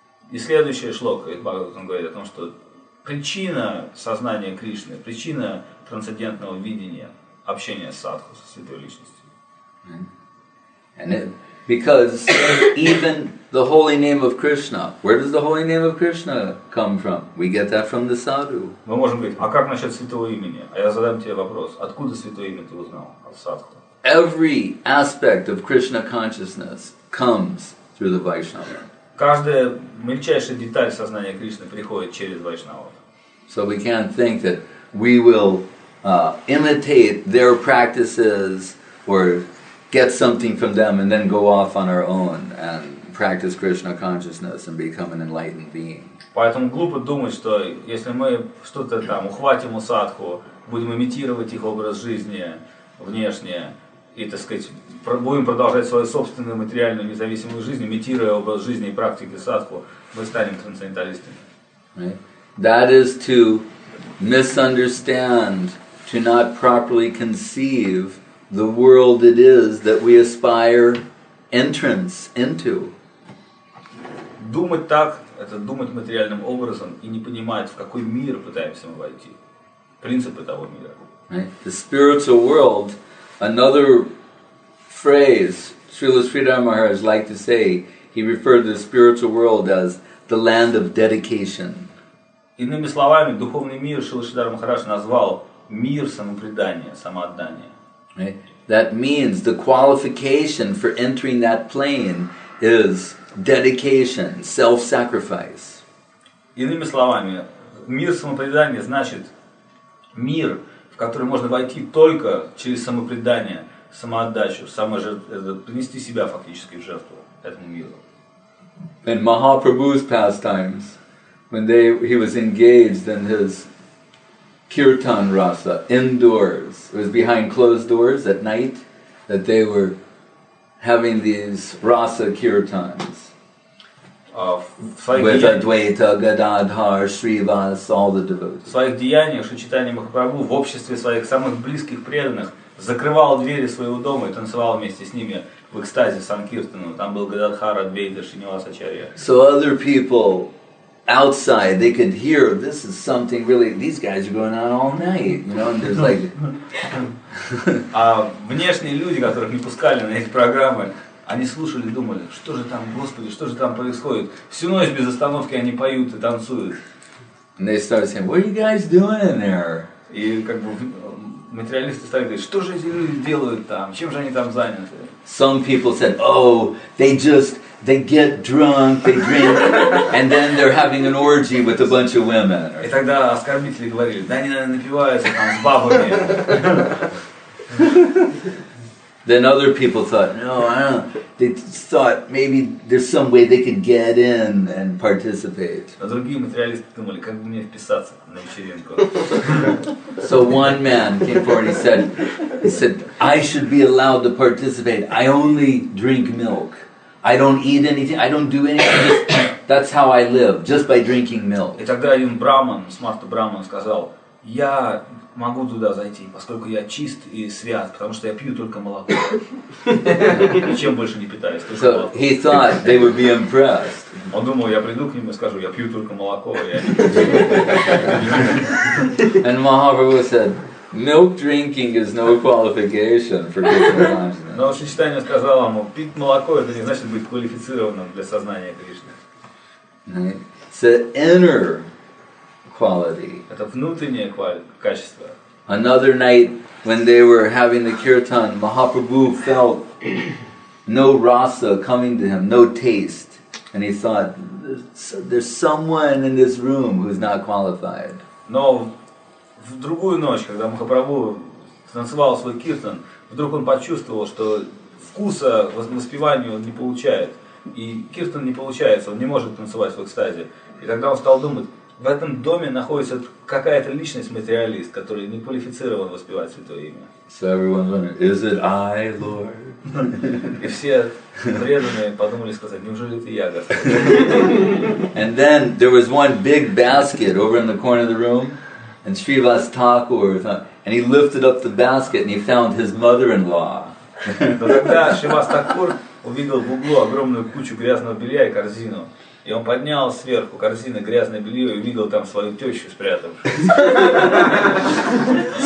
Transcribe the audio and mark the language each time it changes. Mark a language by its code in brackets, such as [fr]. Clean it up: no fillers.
[ru] И следующая шлока, Бхагаватам говорит о том, что причина сознания Кришны, причина трансцендентного видения, общение с садху, со святой личностью. [en] And it, because even the holy name of Krishna, where does the holy name of Krishna come from? We get that from the sadhu. [ru] Мы можем говорить, а как насчет святого имени? А я задам тебе вопрос, откуда святое имя ты узнал? От садху. [en] Every aspect of Krishna consciousness comes through the Vaishnava. [ru] Каждая мельчайшая деталь сознания Кришны приходит через Вайшнава. [en] So we can't think that we will imitate their practices or get something from them and then go off on our own and practice Krishna consciousness and become an enlightened being. [ru] Поэтому глупо думать, что если мы что-то там ухватим у садху, будем имитировать их образ жизни внешне, и, так сказать, будем продолжать свою собственную материальную независимую жизнь, имитируя образ жизни и практики садху, мы станем трансценденталистами. [en] That is to misunderstand, to not properly conceive the world it is that we aspire entrance into. [ru] Думать так – это думать материальным образом и не понимать, в какой мир пытаемся мы войти. Принципы того мира. [en] The spiritual world. Another phrase, Srila Sridhar Maharaj liked to say, he referred to the spiritual world as the land of dedication. [ru] Иными словами, духовный мир Шрила Сридхар Махарадж назвал мир самопредания, самоотдания. [en] That means the qualification for entering that plane is dedication, self-sacrifice. [ru] Иными словами, мир самопредания значит мир, в который можно войти только через самопредание, самоотдачу, принести себя фактически в жертву этому миру. [en] In Mahaprabhu's pastimes, when he was engaged in his kirtan rasa indoors, it was behind closed doors at night that they were having these rasa kirtans. With Адвайта, Гададхар, Шривас, all the devotees. [ru] В своих деяниях Шри Чайтанья Махапрабху в обществе своих самых близких преданных закрывал двери своего дома и танцевал вместе с ними в экстазе санкиртану. Там был Гададхар, Адвайта, Шринивас, Ачарья. [en] So other people outside, they could hear, this is something really, these guys are going on all night, you know, and there's like... [ru] А внешние люди, которых не пускали на эти программы, они слушали, думали, что же там, Господи, что же там происходит? Всю ночь без остановки они поют и танцуют. [en] And they started saying, what are you guys doing there? [ru] И как бы материалисты стали говорить, что же эти люди делают там? Чем же они там заняты? [en] Some people said, oh, they get drunk, they drink, and then they're having an orgy with a bunch of women. [ru] И тогда оскорбители говорили, да они, наверное, напиваются там с бабами. [en] Then other people thought, no, I don't know. They thought maybe there's some way they could get in and participate. А другие материалисты думали, как бы мне вписаться на вечеринку. So one man came forward and he said, I should be allowed to participate. I only drink milk. I don't eat anything. I don't do anything. That's how I live, just by drinking milk. [ru] И тогда один браман, смарт браман, сказал, я могу туда зайти, поскольку я чист и свят, потому что я пью только молоко. Ничем больше не питаюсь, только молоко. [en] So he thought they would be impressed. [ru] Он думал, я приду к ним и скажу, я пью только молоко, я не пью. [en] And Mahaprabhu said, milk drinking is no qualification for Krishna consciousness. [ru] Но Шри Чайтанья сказал ему, пить молоко, это не значит быть квалифицированным для сознания Кришны. [en] It's an inner quality. [ru] Это внутреннее качество. [en] Another night when they were having the kirtan, Mahaprabhu felt no rasa coming to him, no taste. And he thought, there's someone in this room who's not qualified. [ru] Но в другую ночь, когда Махапрабху танцевал свой киртан, вдруг он почувствовал, что вкуса в воспеванию он не получает. И киртан не получается, он не может танцевать в экстазе. И тогда он стал думать, в этом доме находится какая-то личность, материалист, который не квалифицирован воспевать Святое Имя. [en] So everyone wondered, is it I, Lord? [ru] И все преданные подумали сказать, неужели это я, Господь? [en] And then there was one big basket over in the corner of the room, and Srivas Thakur, and he lifted up the basket and he found his mother-in-law. [ru] Тогда Шривас Такур увидел в углу огромную кучу грязного белья и корзину. И он поднял сверху корзины грязное белье и увидел там свою тещу спрятавшуюся.